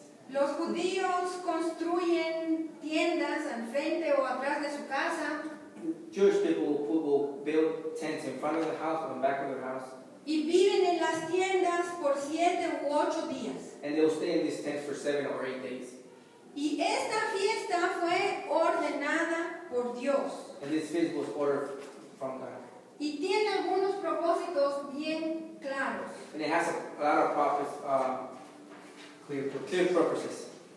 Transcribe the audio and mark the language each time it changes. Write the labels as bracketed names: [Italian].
[Spanish] Los judíos construyen tiendas al frente o atrás de su casa. [English] Jewish people will build tents in front of the house or in the back of the house. [Spanish] Y viven en las tiendas por 7 u 8 días. [English] And they will stay in these tents for 7 or 8 days. [Spanish] Y esta fiesta fue ordenada por Dios. [English] And this feast was ordered from God. [Spanish] Y tiene algunos propósitos bien claros. [English] And it has a lot of purpose, clear purposes.